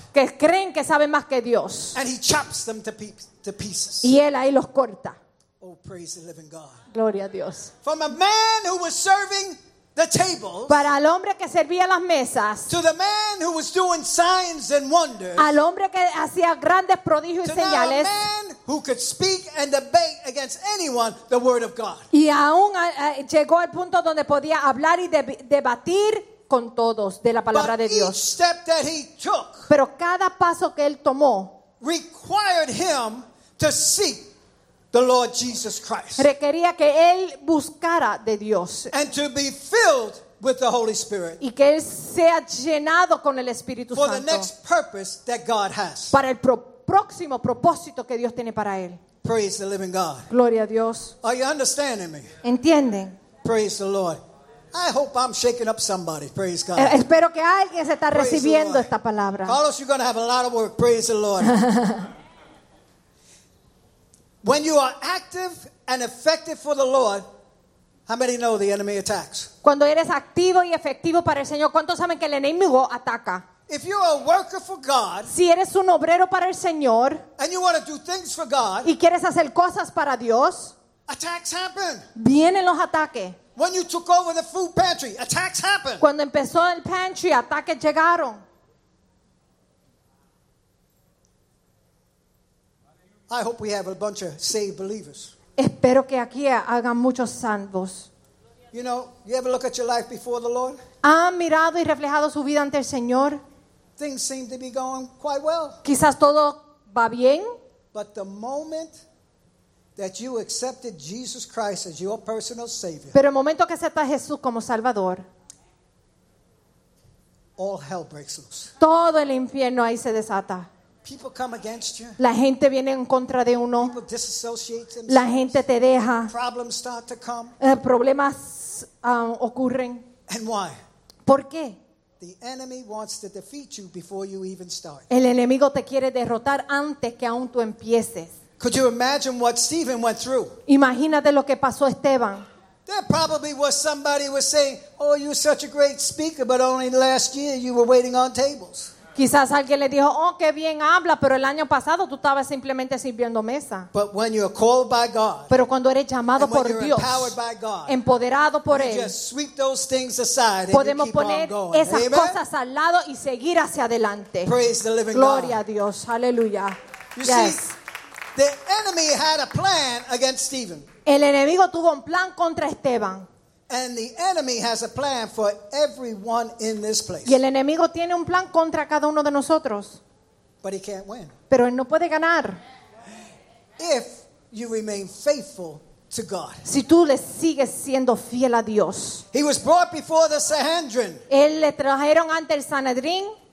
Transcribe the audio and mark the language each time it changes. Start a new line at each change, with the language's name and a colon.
Spanish: que creen que saben más que Dios,
English: and he chops them to pieces.
Spanish: Y él ahí los corta.
English: Oh, praise the living God.
Spanish: Gloria a Dios.
English: From a man who was serving the tables,
Spanish: para el hombre que servía las mesas,
English: to the man who was doing signs and wonders,
Spanish: al hombre que hacía grandes prodigios y señales,
English: to the man who could speak and debate against anyone the word of God.
Spanish: Y aún llegó al punto donde podía hablar y debatir con todos de la palabra de Dios.
English: But each step that he took,
Spanish: pero cada paso que él tomó,
English: required him to seek the Lord Jesus Christ.
Spanish: Requería que él buscara de Dios.
English: And to be filled with the Holy Spirit.
Spanish: Y que él sea llenado con el Espíritu Santo.
English: For the next purpose that God has.
Spanish: Para el próximo propósito que Dios tiene para él.
English: Praise the living God.
Spanish: Gloria a Dios.
English: Are you understanding me?
Spanish: ¿Entienden?
English: Praise the Lord. I hope I'm shaking up somebody. Praise God.
Spanish: Espero que alguien se está recibiendo esta palabra.
English: Carlos, you're going to have a lot of work. Praise the Lord. When you are active and effective for the Lord, how many know the enemy attacks?
Spanish: Cuando eres activo y efectivo para el Señor, ¿cuántos saben que el enemigo ataca?
English: If you're a worker for God,
Spanish: si eres un obrero para el Señor,
English: and you want to do things for God,
Spanish: y quieres hacer cosas para Dios,
English: attacks happen.
Spanish: Vienen los ataques.
English: When you took over the food pantry, attacks happened.
Spanish: Cuando empezó el pantry, ataques llegaron.
English: I hope we have a bunch of saved believers.
Spanish: Espero que aquí hagan muchos salvos.
English: You know, you ever look at your life before the Lord?
Spanish: ¿Han mirado y reflejado su vida ante el Señor?
English: Things seem to be going quite well.
Spanish: Quizás todo va bien.
English: But the moment that you accepted Jesus Christ as your personal Savior,
Spanish: pero el momento que aceptas a Jesús como Salvador,
English: all hell breaks loose.
Spanish: Todo el infierno ahí se desata.
English: People come against you.
Spanish: La gente viene en contra de uno.
English: People disassociate themselves.
Spanish: La gente te deja.
English: Problems start to come.
Spanish: Problemas ocurren.
English: And why?
Spanish: ¿Por qué?
English: The enemy wants to defeat you before you even start.
Spanish: El enemigo te quiere derrotar antes que aún tú empieces.
English: Could you imagine what Stephen went through?
Spanish: Imagínate lo que pasó Esteban.
English: There probably was somebody was saying, "Oh, you're such a great speaker, but only last year you were waiting on tables."
Spanish: Quizás alguien le dijo, "Oh, qué bien habla, pero el año pasado tú estabas simplemente sirviendo mesa."
English: But when you're called by God,
Spanish: pero cuando eres llamado por Dios,
English: empowered by God,
Spanish: empoderado por él,
English: just sweep those things aside,
Spanish: podemos poner esas
English: Amen?
Spanish: Cosas al lado y seguir hacia adelante.
English: Praise the living
Spanish: Gloria
English: God.
Spanish: A Dios. Aleluya.
English: You yes. See, the enemy had a plan against Stephen.
Spanish: El enemigo tuvo un plan contra Esteban.
English: And the enemy has a plan for everyone in this place.
Spanish: Y el enemigo tiene un plan contra cada uno de nosotros.
English: But he can't win.
Spanish: Pero él no puede ganar.
English: If you remain faithful to God.
Spanish: Si tú le sigues siendo fiel a Dios.
English: He was brought before the Sanhedrin.
Spanish: Él le trajeron ante el Sanedrín.